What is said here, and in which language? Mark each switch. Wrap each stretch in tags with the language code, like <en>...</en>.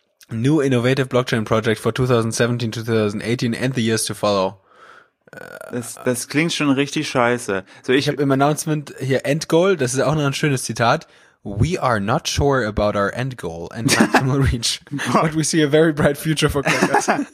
<en>New Innovative Blockchain Project for 2017 to 2018 and the years to follow.</en> <de>Das klingt schon richtig scheiße. So, ich habe im Announcement hier Endgoal, das ist auch noch ein schönes Zitat.</de> <en>We are not sure about our end goal and maximal reach, but we see a very bright future for Crackers.</en>